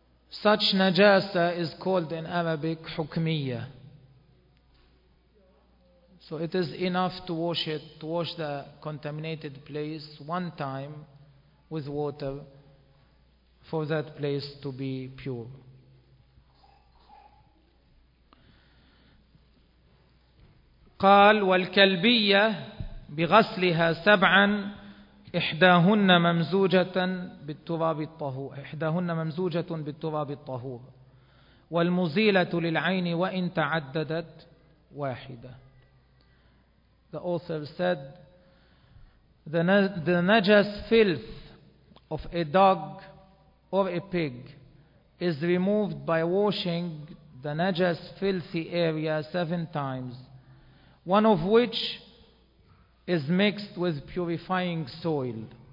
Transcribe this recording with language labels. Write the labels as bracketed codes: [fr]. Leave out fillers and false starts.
[en] Such najasa is called in Arabic hukmiya. So it is enough to wash it, to wash the contaminated place one time with water for that place to be pure. [ar] قال والكلبية بغسلها سبعا إحداهن ممزوجة بالتراب الطهور، إحداهن ممزوجة بالتراب الطهور، والمزيلة للعين وإن تعددت واحدة. [en] The author said the najas filth of a dog or a pig is removed by washing the najas filthy area seven times, one of which is mixed with purifying soil.